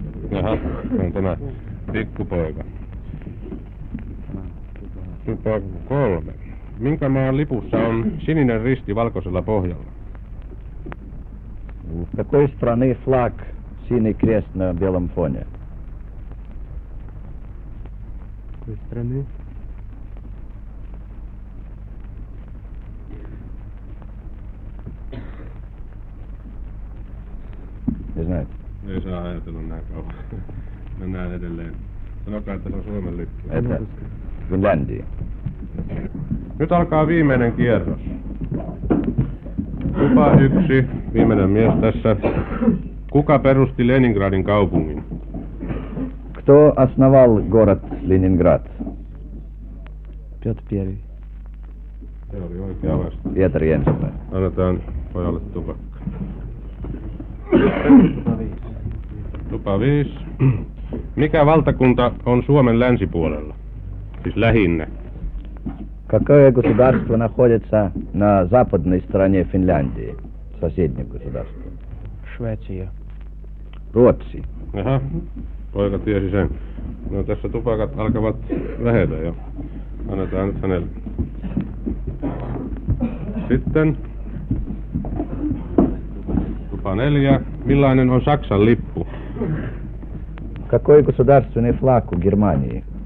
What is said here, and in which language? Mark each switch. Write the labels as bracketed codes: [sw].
[fi] Jaha, on tämä pikkupoika. Tupa 3. Minkä maan lipussa on sininen risti valkoisella pohjalla? [ru] Какой страны флаг синий крест на белом фоне? Какой страны? [fi] Ette näet? Ei saa ajatella näin kauan. Mennään edelleen. Sanokaa, että se on Suomen lippu. Ette? Finlandia. Nyt alkaa viimeinen kierros. Kupa yksi, viimeinen mies tässä. Kuka perusti Leningradin kaupungin? [ru] Кто основал город Ленинград? Петр Первый. Петр Первый. [fi] Annetaan pojalle tupakka. Tupa viis. Mikä valtakunta on Suomen länsipuolella? Siis lähinnä. [ru] Какое государство находится на западной стороне Финляндии? Соседнее государство. Швеция. [fi] Ruotsi. Aha. Poika tiesi sen. No tässä tupakat alkavat vähetä jo. Annetaan nyt hänelle. Sitten. Tupa 4. Millainen on Saksan lippu? [ru] Какой государственный флаг у Германии?